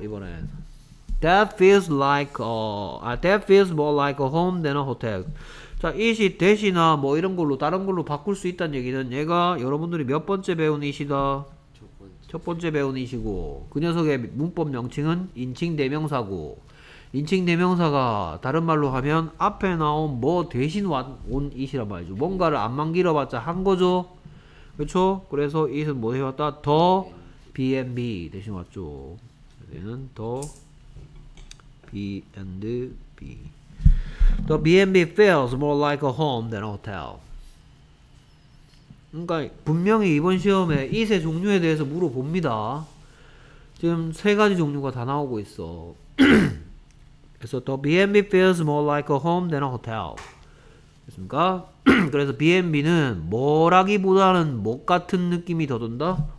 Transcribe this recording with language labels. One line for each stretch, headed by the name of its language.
Korean: 이번엔
English: that feels like that feels more like a home than a hotel.
Korean: 자, it이 that이나 뭐 이런 걸로 다른 걸로 바꿀 수 있다는 얘기는 얘가 여러분들이 몇 번째 배운 it이다? 첫 번째 배운 it이고 그 녀석의 문법 명칭은 인칭 대명사고 인칭 대명사가 다른 말로 하면 앞에 나온 뭐 대신 온 it이란 말이죠. 뭔가를 앞만 길어봤자 한 거죠. 그렇죠? 그래서 it은 뭐 해왔다? the B&B 대신 왔죠. 얘는 the B&B.
English: The B&B feels more like a home than a hotel.
Korean: 그러니까 분명히 이번 시험에 it의 종류에 대해서 물어봅니다. 지금 세 가지 종류가 다 나오고 있어. 그래서
English: the B&B feels more like a home than a hotel.
Korean: 됐습니까? 그래서 B&B는 뭐라기보다는 못 같은 느낌이 더 든다?